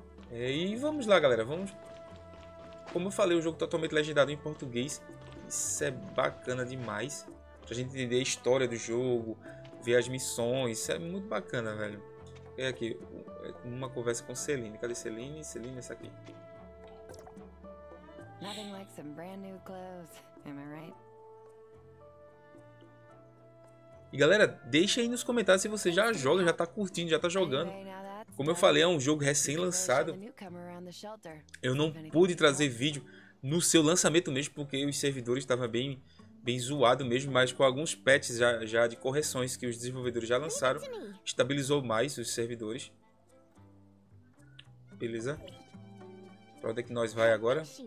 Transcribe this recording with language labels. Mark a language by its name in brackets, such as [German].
[Portuguese] E vamos lá, galera, vamos. Como eu falei, o jogo tá totalmente legendado em português. Isso é bacana demais pra gente entender a história do jogo, ver as missões. Isso é muito bacana, velho. É aqui, uma conversa com Celine. Cadê Celine? Celine, essa aqui. [English] Nothing like some brand new clothes, am I right? [Portuguese] E galera, deixa aí nos comentários se você já joga, já tá curtindo, já tá jogando. Como eu falei, é um jogo recém-lançado. Eu não pude trazer vídeo no seu lançamento mesmo, porque os servidores estavam bem, bem zoado mesmo, mas com alguns patches já de correções que os desenvolvedores já lançaram, estabilizou mais os servidores. Beleza? pra onde é que nós vai agora?